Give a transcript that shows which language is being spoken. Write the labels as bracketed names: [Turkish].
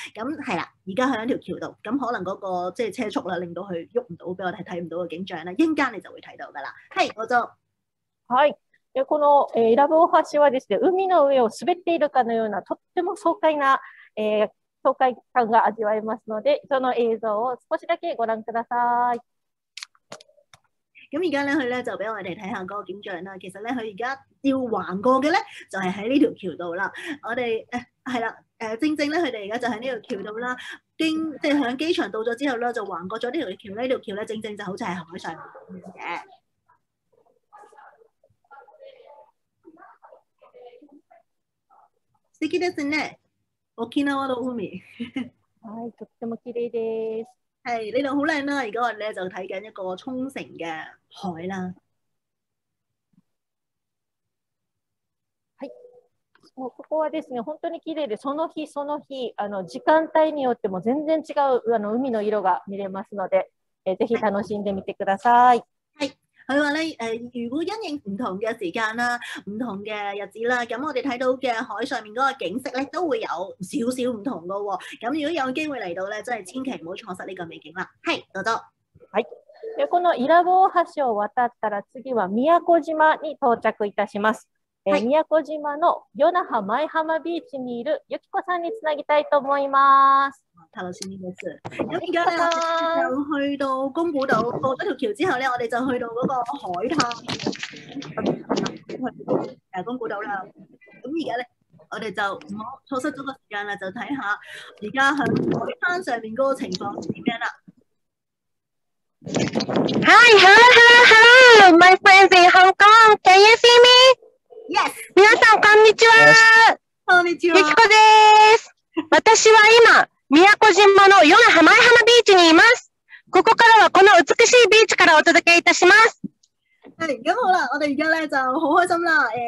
[Cantonese] 咁係啦，而家喺一條橋度，咁可能嗰、那個即係車速啦，令到佢喐唔到，俾我哋睇唔到嘅景象咧，一間你就會睇到噶啦。係，我就。 [Japanese] はい、この伊良部大橋はですね、海の上を滑っているかのようなとっても爽快な、爽快感が味わえますので、その映像を少しだけご覧ください。 [Cantonese] 咁而家咧，佢咧就俾我哋睇下嗰個景象啦。其實咧，佢而家要橫過嘅咧，就係喺呢條橋度啦。我哋係啦，正正咧，佢哋而家就喺呢條橋度啦。經即係喺機場到咗之後咧，就橫過咗呢條橋。呢條橋咧，正正就好似係海上嘅。 [Japanese] 素敵ですね。沖縄の海。はい、とっても綺麗です。 [Cantonese] はい、呢度好靚啦。而家我哋咧就睇緊一個沖繩嘅海啦。 [Japanese] はい。もうここはですね、本当に綺麗で、その日その日、時間帯によっても全然違う海の色が見れますので、ぜひ楽しんでみてください。 [Cantonese] 佢話咧，如果因應唔同嘅時間啦、唔同嘅日子啦，咁我哋睇到嘅海上面嗰個景色咧，都會有少少唔同嘅喎。咁如果有機會嚟到咧，真係千祈唔好錯失呢個美景啦。係，多多。係。 [Japanese] で、この伊良部大橋を渡ったら、次は宮古島に到着いたします。はい。宮古島の与那覇舞浜ビーチにいるゆきこさんにつなぎたいと思います。楽しみです。 [Cantonese] 咁而家咧，就去到宮古島過咗條橋之後咧，我哋就去到嗰個海灘。宮古島啦。咁而家咧，我哋就唔好錯失咗個時間啦，就睇下而家喺海灘上面嗰個情況點樣啦。 [English] Hi, hello, hello, hello, my friends in Hong Kong. Can you see me? Yes. [Japanese] 皆さんこんにちは。こんにちは。ゆきこです。私は今。宮古島の与那覇舞浜ビーチにいます。ここからはこの美しいビーチからお届けいたします。 [Cantonese] はい、咁好啦，我哋而家咧就好开心啦。